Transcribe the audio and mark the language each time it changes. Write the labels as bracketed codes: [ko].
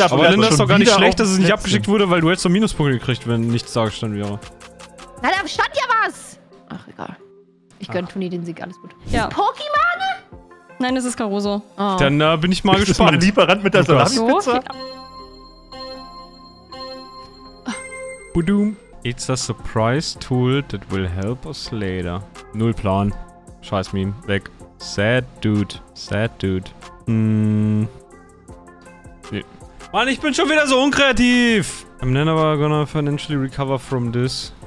[de] Aber dann ist es doch gar nicht schlecht, dass es nicht abgeschickt wurde, weil du hättest so Minuspunkte gekriegt, wenn nichts dagestanden wäre. Na, da stand ja was! Ach, egal. Ich gönn Toni den Sieg, alles gut. Ja. Ist Pokémon? Nein, es ist Caruso. Oh. Dann bin ich mal gespannt. Ist das mein Lieferant mit der Salami-Pizza? Budum. [en] It's a surprise tool that will help us later. [de] Null Plan. Scheiß Meme. Weg. [en] Sad dude. [de] Nee. Mann, ich bin schon wieder so unkreativ. [en] I'm never gonna financially recover from this.